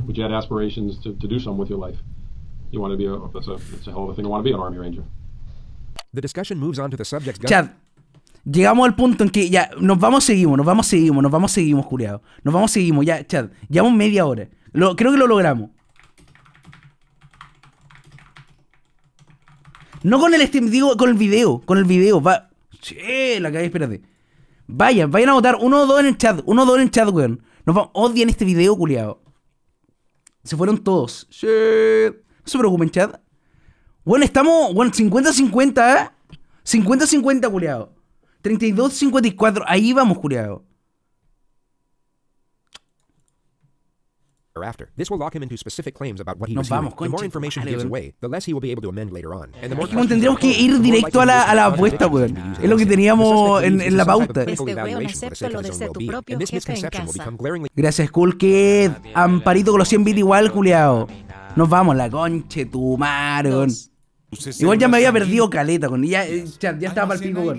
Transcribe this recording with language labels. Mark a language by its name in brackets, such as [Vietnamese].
[English] But you had aspirations to do something with your life. You want to be it's a hell of a thing to want to be an Army Ranger. The discussion moves on to the subject. [Spanish] Chad, llegamos al punto en que ya nos vamos seguimos, culiado. Ya, Chad, llevamos media hora. Creo que lo logramos. No con el stream, digo con el video, va. Sí, la calle, espérate. Vayan a votar. Uno o dos en el chat, weón. Nos odian este video, culiado. Se fueron todos. Sí. No se preocupen, chat. Bueno, estamos. Bueno, 50-50, ¿eh? 50-50, culiado. 32-54. Ahí vamos, culiado. [English] Thereafter, this will lock him into specific claims about what he was doing. The more information he gives away, the less he will be able to amend later on. And the more [Spanish] tendríamos que ir directo a la apuesta, weón. Es lo que teníamos en la pauta. Este weón acepta lo de ser tu propio jefe. Gracias, Cool Kid. Amparito con los 100 bits igual, culiao. Nos vamos, la conche, tu marón. Igual ya me había perdido caleta, weón. Ya estaba para el pico, weón.